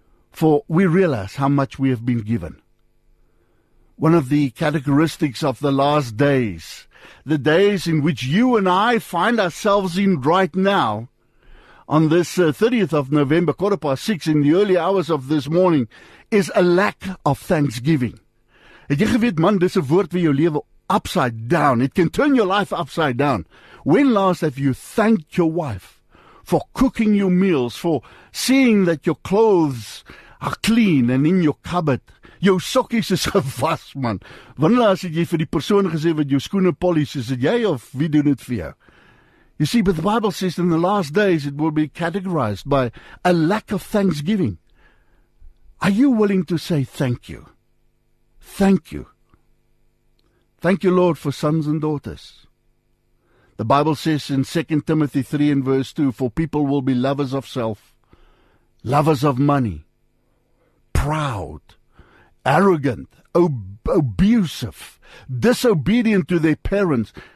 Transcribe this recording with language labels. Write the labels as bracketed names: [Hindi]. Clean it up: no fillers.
[English] For we realize how much we have been given. One of the characteristics of the last days, the days in which you and I find ourselves in right now, on this 30th of November, 6:15, in the early hours of this morning, is a lack of thanksgiving. [Afrikaans] Het jy geweet, man, dis 'n woord vir jou lewe [English] upside down. It can turn your life upside down. When last have you thanked your wife for cooking your meals, for seeing that your clothes are clean and in your cupboard? [Afrikaans] Jou sokkies is gewas, man. Wanneer last het jy vir die persoon gesê wat jou skoene polish, is dit jy of wie doen dit vir jou? [English] You see, but the Bible says in the last days it will be categorized by a lack of thanksgiving. Are you willing to say thank you? Thank you. Thank you, Lord, for sons and daughters. The Bible says in 2 Timothy 3 and verse 2, for people will be lovers of self, lovers of money, proud, arrogant, abusive, disobedient to their parents.